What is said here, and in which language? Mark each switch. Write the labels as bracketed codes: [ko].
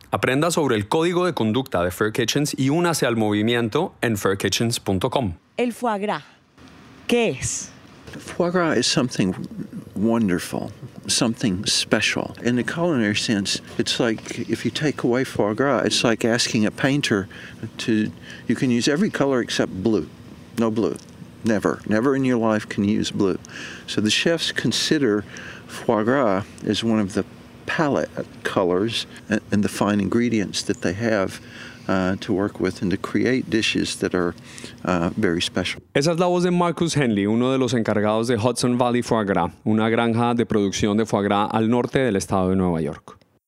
[es] Aprenda sobre el código de conducta de Fur Kitchens y únase al movimiento en furkitchens.com. El foie gras, ¿qué es? [en] Foie gras is something wonderful, something special. In the culinary sense, it's like if you take away foie gras, it's like asking a painter to, you can use every color except blue. No blue. Never. Never in your life can you use blue. So the chefs consider foie gras as one of the palette colors and the fine ingredients that they have to work with and to create dishes that are very special. [es] Esa es la voz de Marcus Henley, uno de los encargados de Hudson Valley Foie Gras, una granja de producción de foie gras al norte del estado de Nueva York.